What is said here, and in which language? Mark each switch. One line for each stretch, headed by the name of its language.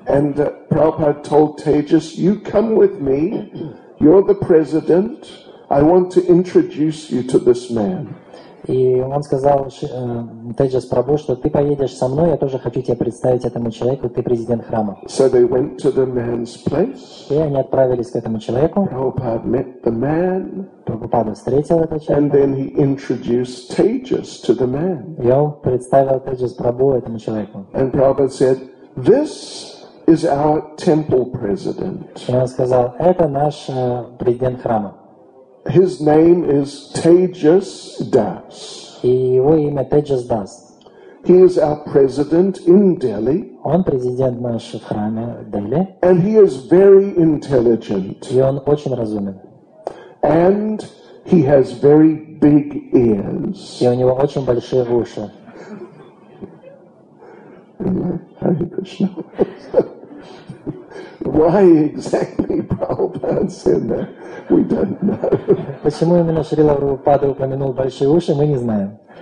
English: And Prabhupada told Tejas, "You come with me. You're the president. I want to introduce you to this man."
Russian: И он сказал Tejas Prabhu, что ты поедешь со мной, я тоже хочу тебя представить этому человеку, ты президент храма.
English: So they went to the man's place.
Russian: И они отправились к этому человеку.
English: Prabhupada met the man.
Russian: Прабхупада встретил этого человека.
English: And then he introduced Tejas to the man.
Russian: И он представил Tejas Prabhu этому человеку.
English: And Prabhupada said, "This is our temple president."
Russian: И он сказал, это наш президент храма.
English: His name is Tejas Das.
Russian: И его имя Tejas Das.
English: He is our president in Delhi.
Russian: Он президент нашего храма Дели.
English: And he is very intelligent.
Russian: И он очень разумен.
English: And he has very big ears.
Russian: И у него очень большие уши.
Sanskrit: Hare Krishna.
English: Why exactly Prabhupada said that? We don't know.
Russian: Почему именно Шрила Прабхупада упомянул большие уши, мы не знаем.